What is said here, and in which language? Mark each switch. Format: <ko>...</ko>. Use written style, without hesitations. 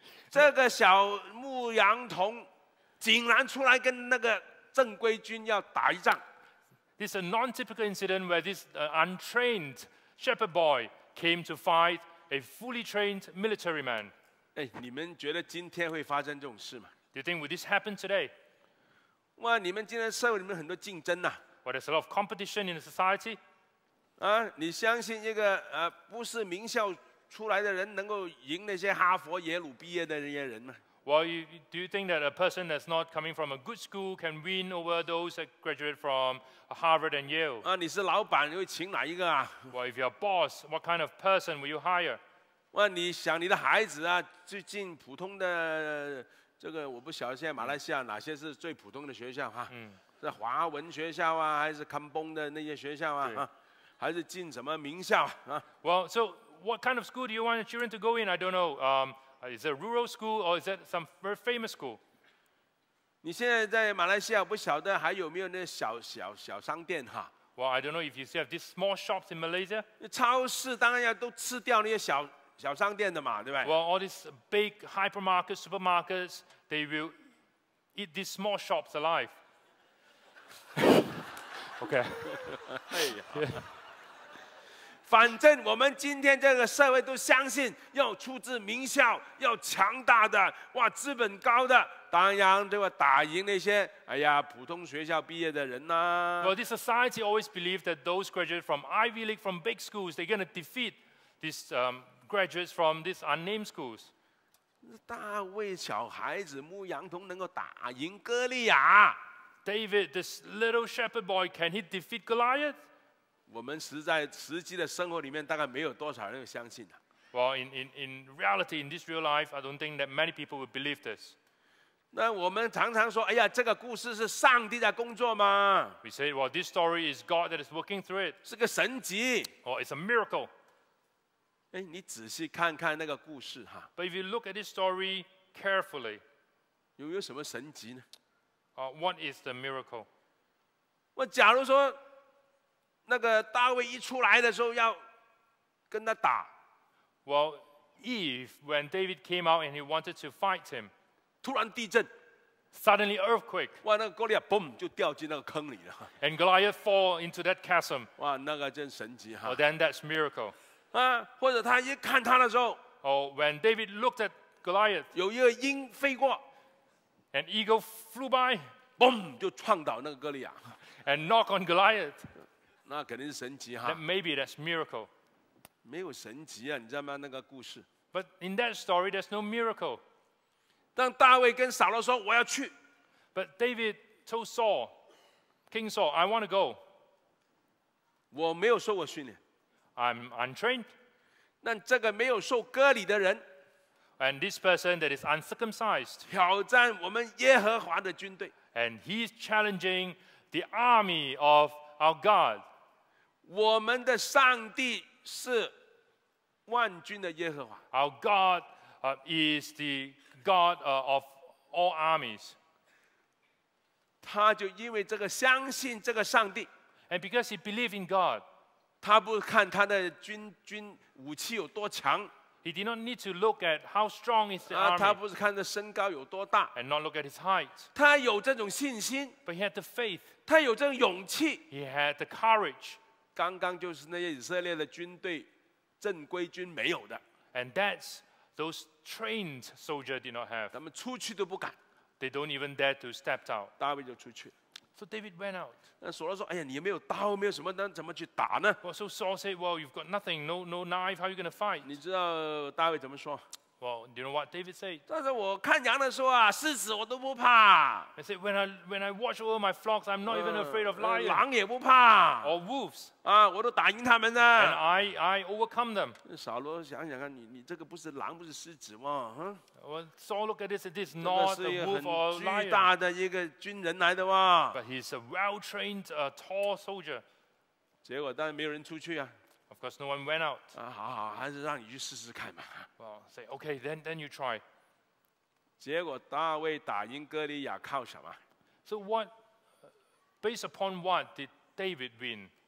<zh>这个小牧羊童竟然出来跟那个正规军要打一仗。</zh> <en>This is a non-typical incident where this untrained shepherd boy came to fight a fully trained military man.</en> <zh>哎，你们觉得今天会发生这种事吗</zh> <en>？Do you think would this happen today?</en> <zh>哇，你们今天社会里面很多竞争呐。</zh> <en>Well, there's a lot of competition in the society.</en> <zh>啊，你相信一个不是名校出来的人能够赢那些哈佛、耶鲁毕业的那些人吗？</zh> <en>Well, do you think that a person that's not coming from a good school can win over those that graduate from Harvard and Yale?</en> <zh>啊，你是老板，你会请哪一个啊</zh> <en>？Well, if you're a boss, what kind of person will you hire?</en> <zh>哇，你想你的孩子啊，最近普通的这个，我不晓得现在马来西亚哪些是最普通的学校哈？是华文学校啊，还是康崩的那些学校啊？还是进什么名校啊</zh> <en>？Well, so what kind of school do you want your children to go in? I don't know. Is it a rural school or is it some very famous school?</en> <zh>你现在在马来西亚不晓得还有没有那小小小商店哈</zh> <en>Well, I don't know if you still have these small shops in Malaysia.</en> <zh>超市当然要都吃掉那些小小商店的嘛，对吧</zh> <en>？Well, all these big hypermarkets, supermarkets, they will eat these small shops alive. Okay. 哎呀。</en> <zh>反正我们今天这个社会都相信要出自名校要强大的哇资本高的当然就会打赢那些哎呀普通学校毕业的人啊</zh> <en>Well, this society always believes that those graduates from Ivy League, from big schools, they're going to defeat these graduates from these unnamed schools.</en> <zh>大卫小孩子牧羊童能够打赢哥利亚</zh> <en>David, this little shepherd boy, can he defeat Goliath?</en> <zh>我们实际的生活里面大概没有多少人相信的。</zh> <en>Well, in reality, in this real life, I don't think that many people would believe this.</en> <zh>那我们常常说，哎呀，这个故事是上帝在工作吗</zh> <en>？We say, well, this story is God that is working through it.</en> <zh>是个神迹。</zh> <en>Or it's a miracle.</en> <zh>哎，你仔细看看那个故事哈。</zh> <en>But if you look at this story carefully,</en> <zh>有什么神迹呢</zh> <en>？What is the miracle?</en> <zh>我假如说。那个大卫一出来的时候要跟他打</zh> <en>Well, Eve, when David came out and he wanted to fight him</en> <zh>突然地震</zh> <en>Suddenly earthquake</en> <zh>哇那个哥利亚 boom 就掉进那个坑里了</zh> <en>And Goliath fall into that chasm</en> <zh>哇那个真神奇</zh> <en>Well, then that's miracle</en> <zh>啊或者他一看他的时候</zh> <en>Oh, when David looked at Goliath</en> <zh>有一个鹰飞过</zh> <en>An eagle flew by</en> <zh>boom 就撞倒那个哥利亚</zh> <en>And knock on Goliath</en> <zh>那肯定是神迹哈。</zh> <en>That maybe that's miracle.</en> <zh>没有神迹啊，你知道吗？那个故事。</zh> <en>But in that story, there's no miracle.</en> <zh>当大卫跟扫罗说我要去。</zh> <en>But David told Saul, King Saul, I want to go.</en> <zh>我没有受过训练。</zh> <en>I'm untrained.</en> <zh>那这个没有受割礼的人。</zh> <en>And this person that is uncircumcised.</en> <zh>挑战我们耶和华的军队。</zh> <en>And he's challenging the army of. Our God,</en> <zh>我们的上帝是万军的耶和华。</zh> <en>Our God is the God of all armies.</en> <zh>他就因为这个相信这个上帝。</zh> <en>And because he believed in God,</en> <zh>他不看他的 军武器有多强。</zh> <en>He did not need to look at how strong is the army.</en> <zh>他不是看他身高有多大。</zh> <en>And not look at his height.</en> <zh>他有这种信心。</zh> <en>But he had the faith.</en> <zh>他有这种勇气。</zh> <en>He had the courage.</en> <zh>刚刚就是那些以色列的军队正规军没有的。</zh> <en>And that's those trained soldiers did not have.</en> <zh>他们出去都不敢。</zh> <en>They don't even dare to step out.</en> <zh>大卫就出去。</zh> <en>So David went out.</en> <zh>那扫罗说：“哎呀，你没有刀，没有什么，那怎么去打呢</zh> <en>？”Well, so Saul said, "Well, you've got nothing, no knife. How are you going to fight?"</en> <zh>你知道大卫怎么说</zh> <en>？Well, do you know what David said?</en> <zh>他说：“我看羊的时候啊，狮子我都不怕。</zh> <en>”He said, "When I watch over my flocks, I'm not even afraid of lions."</en> <zh>狼也不怕。</zh> <en>Or wolves.</en> <zh>啊，我都打赢他们呢。</zh> <en>And I overcome them.</en> <zh>扫罗想想看，你这个不是狼，不是狮子吗？</zh> <en>Well, Saul, look at this. This is not a wolf or lion.</en> <zh>巨大的一个军人来的哇。</zh> <en>But he's a well-trained, a tall soldier.</en> <zh>结果当然没有人出去啊。</zh> <en>Of course, no one went out.</en> <zh>啊，好好，还是让你去试试看嘛。</zh> <en>Well, say okay, then you try.</en> <zh>结果大卫打赢哥利亚靠什么</zh> <en>？So what? Based upon what did David win?</en>